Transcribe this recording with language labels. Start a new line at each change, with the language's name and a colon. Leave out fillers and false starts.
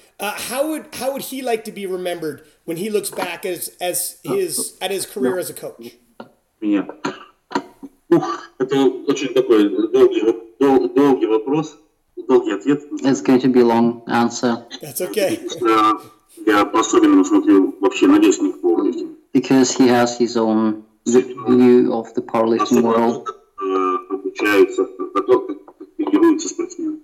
English: How would he like to be remembered when he looks back at his career as a coach?
Russian: Это очень такой долгий вопрос, долгий ответ.
English: It's going to be a long answer. That's okay.
Russian: Я по-особенному смотрю вообще на весь мир powerlifting.
English: Because he has his own view of the powerlifting world.
Russian: Обучается, тренируются спортсмены.